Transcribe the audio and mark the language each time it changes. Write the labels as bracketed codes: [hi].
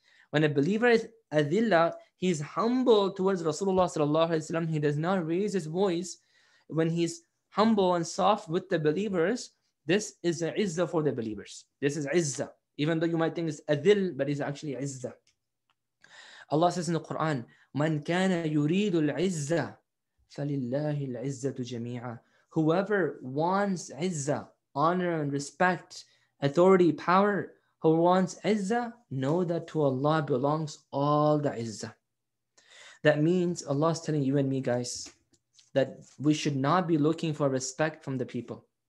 [en] When a believer is adhilla, he's humble towards Rasulullah sallallahu alayhi wa sallam. He does not raise his voice. When he's humble and soft with the believers, this is a izzah for the believers. This is izzah. Even though you might think it's adhil, but it's actually izzah. Allah says in the Quran, [ar] مَنْ كَانَ يُرِيدُ الْعِزَّةِ فَلِلَّهِ الْعِزَّةُ جَمِيعًا. [en] Whoever wants izzah, honor and respect, authority, power, who wants izzah, know that to Allah belongs all the izzah. That means Allah is telling you and me, guys, that we should not be looking for respect from the people.